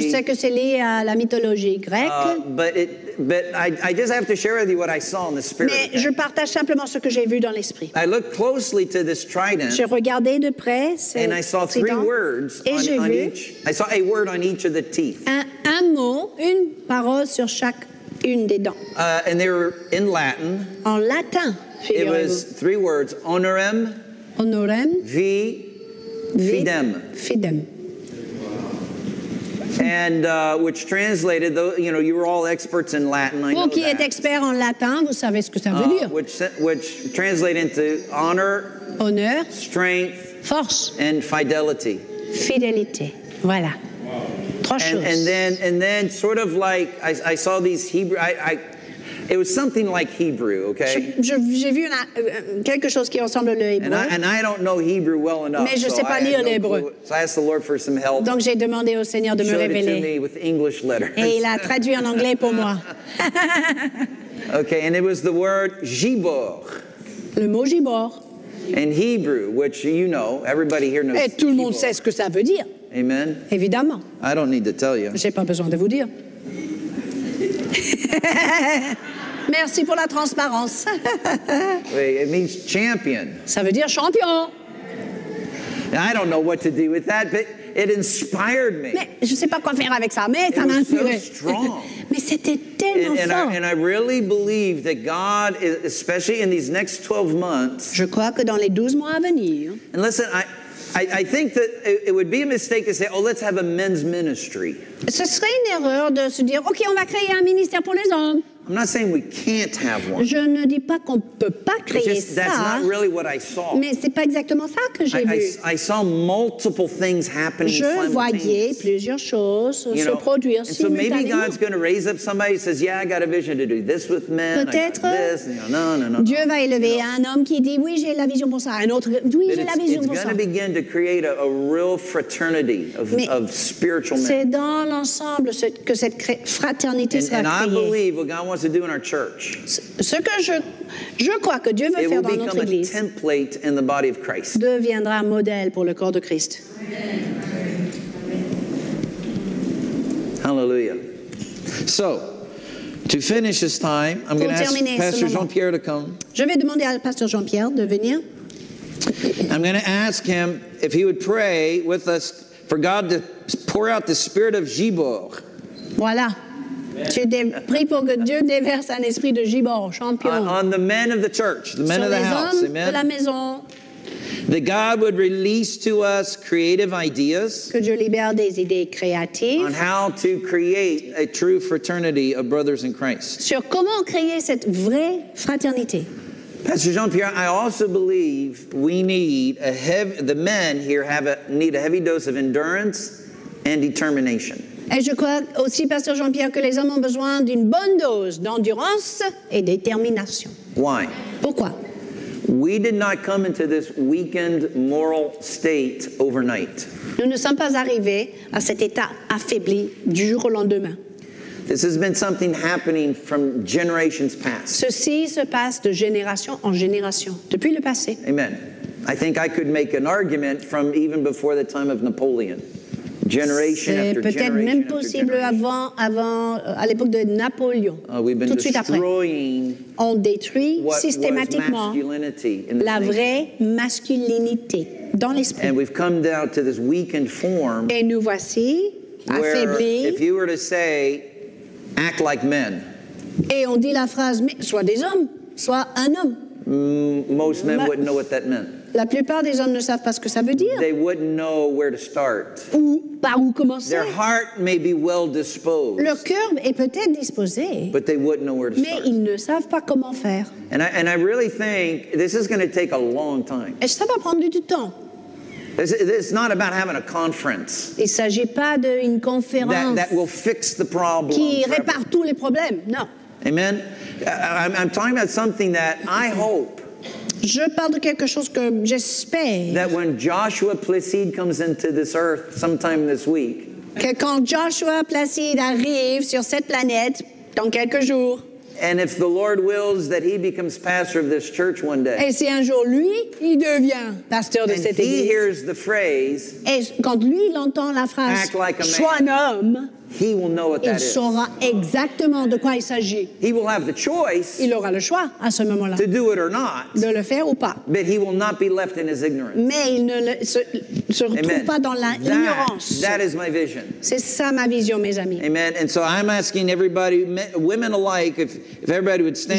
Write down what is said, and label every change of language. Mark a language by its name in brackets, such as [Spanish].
[French] Je sais que c'est lié à la mythologie grecque. [English] But I just have to share with you what I saw in the spirit. [French] Mais je partage simplement ce que j'ai vu dans l'esprit. [English] I looked closely to this trident. [French] J'ai regardé de près ce trident. [English] And I saw three words on each. I saw a word on each of the teeth. [French] Un mot, une parole sur chaque une des dents. [English] And they were in Latin. [French] En latin. [English] It was three words: honorem. [Latin] Honorem. Vi. Fidem. Fidem. [English] And which translated, though, you know, you were all experts in Latin. I [French] vous [English] know [French] qui [English] that. [French] Êtes expert en latin, vous savez ce que ça veut dire. [English] Which translated into honor, [French] honneur, [English] strength, [French] force, [English] and fidelity. [French] Fidélité. Voilà. Wow. Trois choses. [English] And then, sort of like I saw these Hebrew. It was something like Hebrew, okay? [French] J'ai vu quelque chose qui ressemble au hébreu. [English] And I don't know Hebrew well enough. [French] Mais je sais pas lire l'hébreu. [English] So I asked the Lord for some help. [French] Donc j'ai demandé au Seigneur de me révéler. [English] He showed it to me with English letters. [French] Et il a traduit en anglais pour moi. [English] Okay, and it was the word gibor. [French] Le mot gibor. [English] In Hebrew, which you know, everybody here knows. [French] Et tout le monde sait ce que ça veut dire. [English] Amen. [French] Évidemment. [English] I don't need to tell you. [French] J'ai pas besoin de vous dire. Merci pour la transparence. [English] Wait, it means champion. [French] Ça veut dire champion. [English] I don't know what to do with that, but it inspired me. [French] Mais je sais pas quoi faire avec ça, mais ça m'a inspiré. [English] It was so strong. [French] Mais c'était tellement fort. [English] And I really believe that God, especially in these next 12 months. [French] Je crois que dans les 12 mois à venir. [English] And listen, I think that it would be a mistake to say, oh, let's have a men's ministry. [French] Ce serait une erreur de se dire, OK, on va créer un ministère pour les hommes. [English] I'm not saying we can't have one. [French] Je ne dis pas qu'on peut pas créer [English] just, [French] ça. [English] That's not really what I saw. [French] Mais c'est pas exactement ça que j'ai vu. [English] I saw multiple things happening. [French] Je voyais plusieurs choses se produire simultanément. [English] So maybe God's going to raise up somebody who says, "Yeah, I got a vision to do this with men." [French] Peut-être. [English] This. No. [French] Dieu va élever un homme qui dit, "Oui, j'ai la vision pour ça." Un autre, "Oui, j'ai la vision pour ça." [English] It's going to begin to create a real fraternity of spiritual men. [French] C'est dans l'ensemble que cette fraternité sera créée. [English] And I believe what God wants to do in our church. [French] Ce que je crois que Dieu veut faire dans notre église. [English] It will become a template in the body of Christ. [French] Deviendra un modèle pour le corps de Christ. [English] Hallelujah. So, to finish this time, I'm going to ask Pastor Jean-Pierre to come. [French] Je vais demander à Pasteur Jean-Pierre de venir. [English] I'm going to ask him if he would pray with us for God to pour out the spirit of Gibor. [French] Voilà. Tu pries pour que Dieu déverse un esprit de gibor, champion. [English] On the men of the church, the men [French] sur [English] of the house, amen. [French] Les hommes de la maison. [English] That God would release to us creative ideas. [French] Que Dieu libère des idées créatives. [English] On how to create a true fraternity of brothers in Christ. [French] Sur comment créer cette vraie fraternité. [English] Pastor Jean-Pierre, I also believe we need the men here need a heavy dose of endurance and determination. [French] Et je crois aussi, Pasteur Jean-Pierre, que les hommes ont besoin d'une bonne dose d'endurance et de détermination. [English] Why? [French] Pourquoi? [English] We did not come into this weakened moral state overnight. [French] Nous ne sommes pas arrivés à cet état affaibli du jour au lendemain. [English] This has been something happening from generations past. [French] Ceci se passe de génération en génération, depuis le passé. [English] Amen. I think I could make an argument from even before the time of Napoleon. Generation [French] c'est [English] after [French] peut-être [English] generation [French] même possible avant à l'époque de Napoléon. [English] We've been [French] tout de suite après, on détruit systématiquement la vraie masculinité dans l'esprit. [English] And we've come down to this weakened form. [French] Et nous voici affaiblis. [English] If you were to say, act like men. [French] Et on dit la phrase, mais soit des hommes, soit un homme. [English] Most men wouldn't know what that meant. [French] La plupart des hommes ne savent pas ce que ça veut dire. [English] They wouldn't know where to start. [French] Ou par où commencer. [English] Their heart may be well disposed. [French] Leur cœur est peut-être disposé. [English] But they wouldn't know where to [French] mais [English] start. [French] Ils ne savent pas comment faire. [English] And I really think this is going to take a long time. [French] Et ça va prendre du temps. [English] It's not about having a conference. [French] Il s'agit pas d'une conférence [English] that will fix the problem. [French] Qui répare tous les problèmes. Non. [English] Amen. I'm talking about something that I hope. [French] Je parle de quelque chose que j'espère. [English] That when Joshua Placide comes into this earth sometime this week. [French] Que quand Joshua Placide arrive sur cette planète dans quelques jours. [English] And if the Lord wills that he becomes pastor of this church one day. [French] Et si un jour lui, il devient pasteur de cette église. [English] And he hears the phrase. [French] Et quand lui il entend la phrase. [English] Act like a man. [French] Sois un homme. [English] He will know what that [French] il saura [English] is. [French] Exactement de quoi il s'agit. [English] He will have the choice. [French] Il aura le choix à ce moment-là. [English] To do it or not. [French] De le faire ou pas. [English] But he will not be left in his ignorance. [French] Mais il ne se retrouve pas dans l'ignorance. [English] That is my vision. [French] C'est ça ma vision, mes amis. [English] Amen. And so I'm asking everybody, women alike, if everybody would stand.